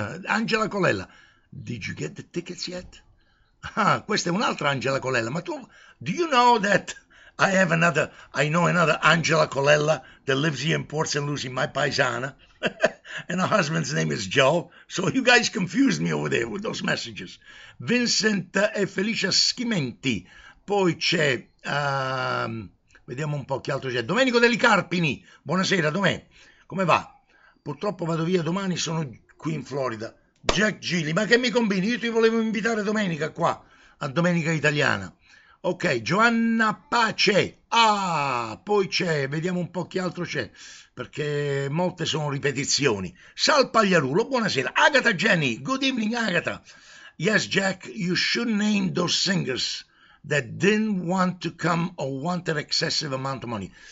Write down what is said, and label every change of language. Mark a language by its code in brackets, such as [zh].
[en] Angela Colella, did you get the tickets yet? [it] Ah, questa è un'altra Angela Colella, ma tu, [en] do you know that? I know another Angela Colella that lives here in Port St. Lucie, my paisana, and her husband's name is Joe. So you guys confused me over there with those messages. [it] Vincent e Felicia Schimenti. Poi c'è, vediamo un po' chi altro c'è. Domenico Deli Carpini. Buonasera, Domè. Come va? Purtroppo vado via domani, sono qui in Florida. Jack Gilly, ma che mi combini? Io ti volevo invitare domenica qua, a Domenica Italiana. Ok, Giovanna Pace, ah, poi c'è, vediamo un po' chi altro c'è, perché molte sono ripetizioni. Sal Pagliarulo, buonasera. Agatha Jenny, [en] good evening Agatha. Yes Jack, you should name those singers that didn't want to come or wanted excessive amount of money.